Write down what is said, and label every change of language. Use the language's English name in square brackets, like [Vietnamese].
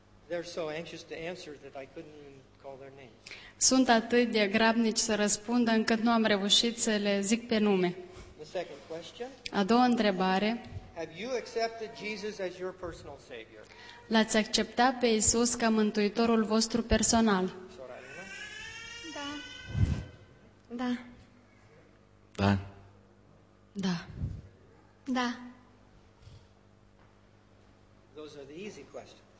[English] They're so anxious to answer that I couldn't even call their names. [Romanian] Sunt atât de grabnici să răspundă încât nu am reușit să le zic pe nume. [English] The second question. [Romanian] A doua întrebare. [English] Have you accepted Jesus as your personal savior? [Romanian] L-ați acceptat pe Iisus ca mântuitorul vostru personal? Da. Da. Da. Da. [English] Those are the easy questions.